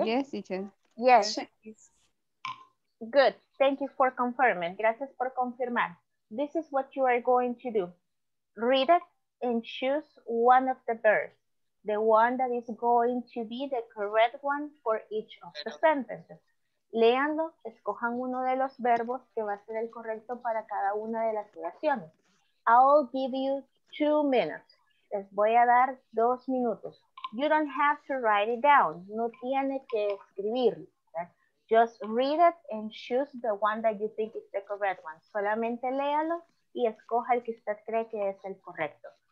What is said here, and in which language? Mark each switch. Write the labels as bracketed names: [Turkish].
[English] teacher. Yes. Good. Thank you for confirming. [Spanish] Gracias por confirmar. [English] This is what you are going to do. Read it and choose one of the verbs, the one that is going to be the correct one for each of the sentences. [Spanish] léanlo, escojan uno de los verbos que va a ser el correcto para cada una de las oraciones. [English] I'll give you 2 minutes. [Spanish] Les voy a dar 2 minutos. [English] You don't have to write it down. [Spanish] No tiene que escribirlo. [English] Just read it and choose the one that you think is the correct one. [Spanish] Solamente léalo y escoja el que usted cree que es el correcto.